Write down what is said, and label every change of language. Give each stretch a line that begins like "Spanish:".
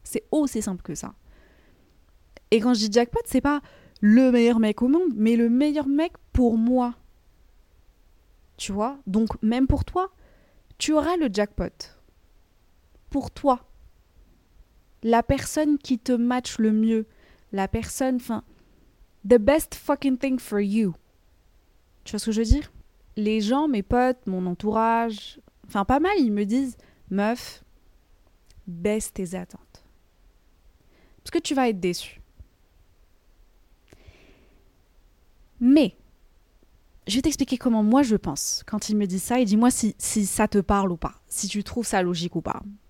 French: C'est aussi simple que ça. Et quand je dis jackpot, c'est pas le meilleur mec au monde, mais le meilleur mec pour moi. Tu vois? Donc, même pour toi, tu auras le jackpot. Pour toi. La personne qui te match le mieux. La personne, enfin...
English: The best fucking thing for you.
French: Tu vois ce que je veux dire? Les gens, mes potes, mon entourage, enfin pas mal, ils me disent, meuf, baisse tes attentes. Parce que tu vas être déçu. Mais, je vais t'expliquer comment moi je pense quand il me dit ça et dis-moi si ça te parle ou pas, si tu trouves ça logique ou pas.